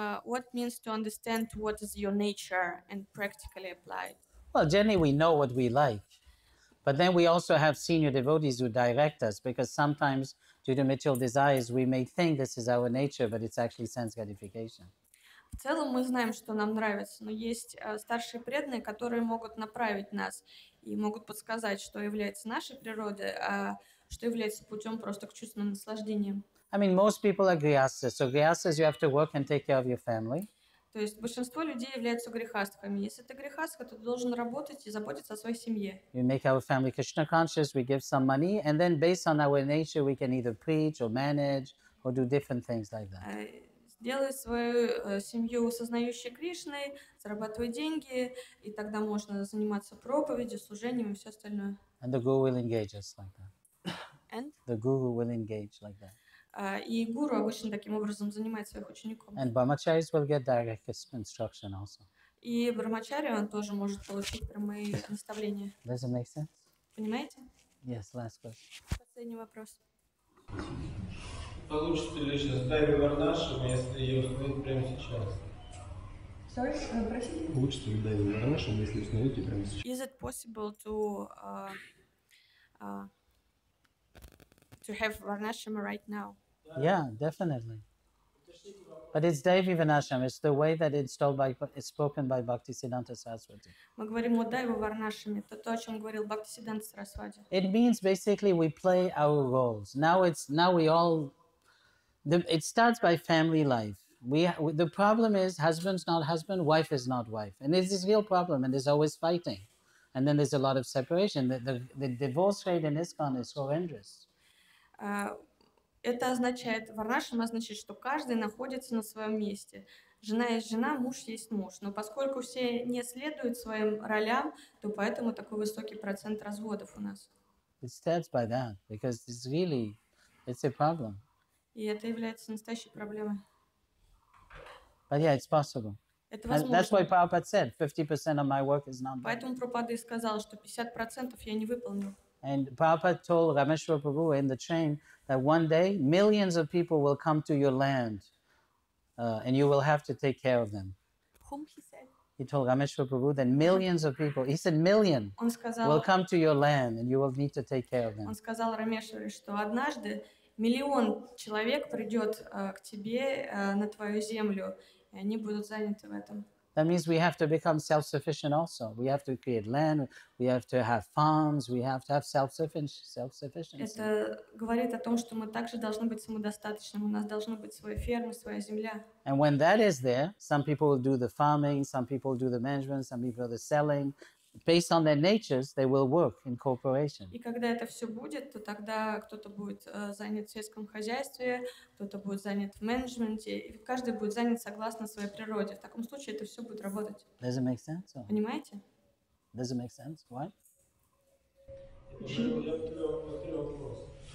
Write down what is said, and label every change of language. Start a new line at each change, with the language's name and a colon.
English: What means to understand what is your nature and practically applied? Well, generally, we know what we like. But then we also have senior devotees who direct us, because sometimes due to material desires, we may think this is our nature, but it's actually sense gratification.
Russian: В целом мы знаем, что нам нравится, но есть старшие преданные, которые могут направить нас и могут подсказать, что является нашей природой, а что является путем просто к чувственным наслаждениям.
English: I mean, most people are grihastas. So grihastas, you have to work and take care of your family.
Russian: То есть большинство людей являются грехастками. Если ты грехастка, то ты должен работать и заботиться о своей семье.
English: We make our family Krishna conscious, we give some money, and then based on our nature, we can either preach or manage or do different things like that.
Russian: Сделай свою семью сознающей Кришной, зарабатывай деньги, и тогда можно заниматься проповедью, служением и все остальное.
English: And the guru will engage us like that. And? The guru will engage like that.
Russian: И гуру обычно таким образом занимает своих учеников.
English: And brahmacharis will get direct instruction also.
Russian: И брахмачари он тоже может получить прямые наставления.
English: Does it make sense?
Russian: Понимаете?
English: Yes, last question.
Russian: Последний вопрос. Получите ли сейчас Дайви Варнашем, если ее установить прямо сейчас?
English: Sorry,
Russian: простите? Получите ли Дайви Варнашем, если установить прямо сейчас?
English: Is it possible to to have Varnashrama right now. Yeah, definitely. But it's Devi Varnashrama, it's the way that it's told by, it's spoken by Bhaktisiddhanta Saraswati.
Russian: Мы говорим о Дайве Варнашраме, то о чем говорил Бхактисиддханта Сарасвати.
English: It means basically we play our roles. Now it's now we all the, it starts by family life. We the problem is husband's not husband, wife is not wife. And it's this real problem and there's always fighting. And then there's a lot of separation. The divorce rate in ISKCON is horrendous.
Russian: Это означает, Варнашрама означает, что каждый находится на своем месте. Жена есть жена, муж есть муж. Но поскольку все не следуют своим ролям, то поэтому такой высокий процент разводов у нас.
English: It starts by that, because it's really, it's a problem.
Russian: И это является настоящей проблемой.
English: But yeah, it's possible.
Russian: Это возможно.
English: That's why Prabhupada said 50% of my work is not done.
Russian: Поэтому Прабхупада и сказал, что 50% я не выполнил.
English: And Prabhupada told Rameshwar Prabhu in the train that one day millions of people will come to your land and you will have to take care of them. Whom he said? He told Rameshwar Prabhu that millions of people, he said million,
Russian: он сказал,
English: will come to your land and you will need to take care of them.
Russian: Он сказал Рамешвару, что однажды миллион человек придет к тебе на твою землю, и они будут заняты в этом.
English: That means we have to become self-sufficient also. We have to create land, we have to have farms, we have to have self-sufficiency.
Russian: Это говорит о том, что мы также должны быть самодостаточными. У нас должна быть своя ферма, своя земля.
English: And when that is there, some people will do the farming, some people do the management, some people the selling. Based on their natures, they will work in corporation.
Russian: И когда это все будет, то тогда кто-то будет занят в сельском хозяйстве, кто-то будет занят в менеджменте, и каждый будет занят согласно своей природе. В таком случае это все будет работать.
English: Does it make sense? Or...
Russian: Понимаете?
English: Does it make sense? Why?
Russian: Я повторю вопрос.